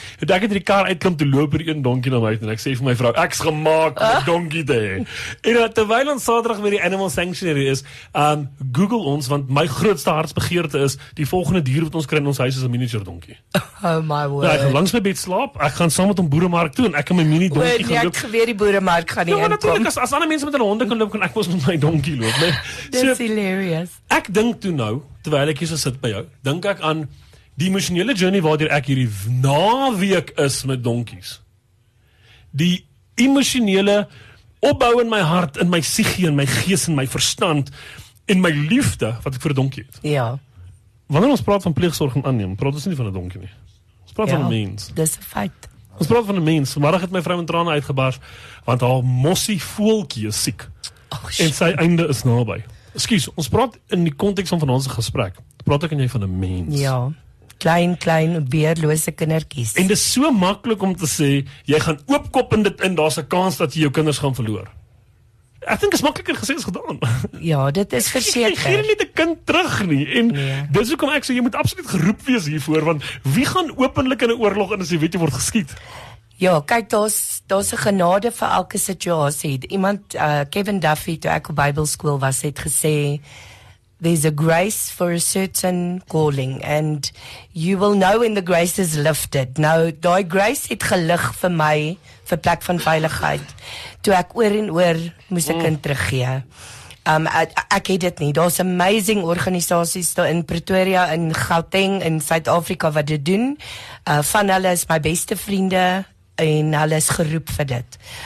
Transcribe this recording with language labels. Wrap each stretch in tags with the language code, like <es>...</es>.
<af>Toe ek uit die kar uitklim, toe loop hier een donkie na my en ek sê vir my vrou, ek's gemaak om 'n donkie te hê. En terwyl ons Saterdag by die</af> <en>animal sanctuary</en> <af>is, Google ons, want my grootste hartsbegeerte is, die volgende dier wat ons kry in ons huis is 'n miniature donkie. Oh my word. Nou, ek gaan langs my bed slaap, ek gaan saam met hom boeremark toe en ek en my mini donkie gaan loop. Ek geweet die boeremark gaan nie inkom. Natuurlijk, as ander mense met hulle honde kan loop, kan ek ons met my donkie loop. Dis so, hilarious. Ek dink toe nou, terwyl ek hier so sit by jou, dink ek aan die emotionele journey waardeur ek hierdie naweek is met donkies. Die emotionele opbou in my hart, in my psigie, in my gees, in my verstand en my liefde wat ek vir 'n donkie het. Ja. Wanneer ons praat van pleegsorg en aanneem, praat ons nie van 'n donkie nie. Ons praat van 'n mens. Dis 'n feit. Ons praat van 'n mens. Vanmiddag het my vrou in trane uitgebars, want haar mossie voeltjie is siek. En sy einde is naby. Ekskuus, ons praat in die konteks van vanaand se gesprek. Praat ek en jy van 'n mens. Ja. Klein, weerlose kindertjies. En dis so maklik om te sê, jy gaan oopkop in dit in, daar's 'n kans dat jy jou kinders gaan verloor. Ek dink is makliker gesê as gedaan. Ja, dit is verseker. Jy gee nie die kind terug nie. En dis hoekom ek sê, jy moet absoluut geroep wees hiervoor, want wie gaan openlik in 'n oorlog in as jy weet jy word geskiet? Ja, kyk, daar's 'n genade vir elke situasie. Iemand, Kevin Duffy, toe ek op Bybelskool was, het gesê,</af> <en>there's a grace for a certain calling, and you will know when the grace is lifted.</en> <af>Nou, daai grace het gelig vir my, vir plek van veiligheid. Toe ek oor en oor moes ek in teruggee. Ek het dit nie. Daar's amazing organisaties daar in Pretoria, in Gauteng, in Suid-Afrika wat dit doen. Van hulle is my beste vriende en hulle is geroep vir dit.</af>